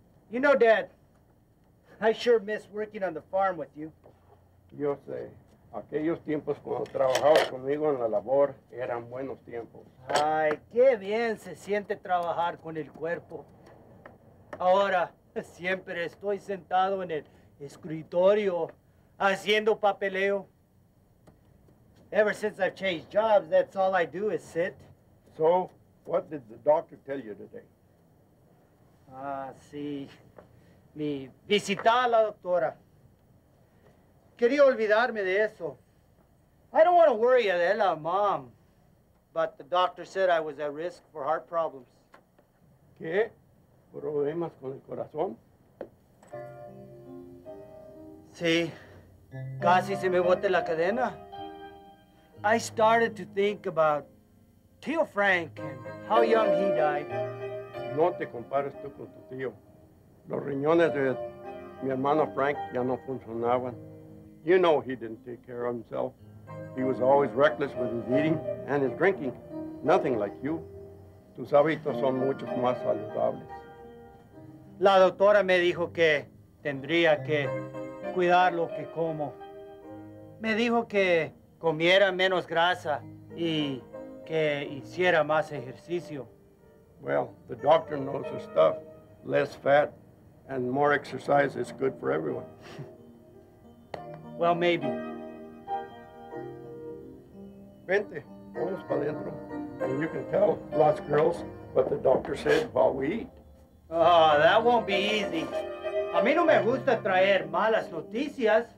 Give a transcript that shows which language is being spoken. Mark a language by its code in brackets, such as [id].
[en] You know, Dad, I sure miss working on the farm with you. [es] Yo sé. Aquellos tiempos cuando trabajabas conmigo en la labor eran buenos tiempos. Ay, qué bien se siente trabajar con el cuerpo. Ahora, siempre estoy sentado en el escritorio haciendo papeleo. [en] Ever since I've changed jobs, that's all I do is sit. So, what did the doctor tell you today? [es] Ah, sí. Mi visita a la doctora. Quería olvidarme de eso. [en] I don't want to worry Adela, Mom. But the doctor said I was at risk for heart problems. [es] ¿Qué? ¿Problemas con el corazón? Sí. Casi se me bote la cadena. [en] I started to think about Tío Frank and how young he died. [es] No te compares tú con tu tío. Los riñones de mi hermano Frank ya no funcionaban. [en] You know he didn't take care of himself. He was always reckless with his eating and his drinking. Nothing like you. [es] Tus hábitos son muchos más saludables. La doctora me dijo que tendría que cuidar lo que como. Me dijo que comiera menos grasa y que hiciera más ejercicio. [en] Well, the doctor knows his stuff. Less fat and more exercise is good for everyone. Well, maybe. [es] Vente, vamos para dentro. [en] And you can tell lots of girls what the doctor said while we eat. Oh, that won't be easy. [es] A mí no me gusta traer malas noticias.